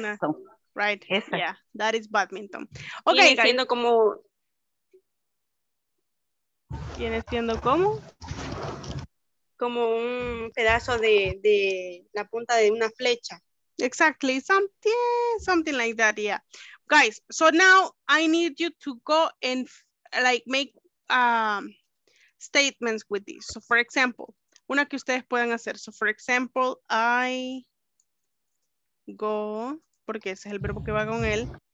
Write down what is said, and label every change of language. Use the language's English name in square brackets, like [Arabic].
[Spanish] Una right. Esa. [English] Yeah. That is badminton. Okay, [Spanish] siendo como viene siendo como un pedazo de la punta de una flecha. [English] Exactly, something like that, yeah. Guys, so now I need you to go and like make statements with this. So for example, [Spanish] una que ustedes puedan hacer. [English] So for example, I go, [Spanish] porque ese es el verbo que va con él.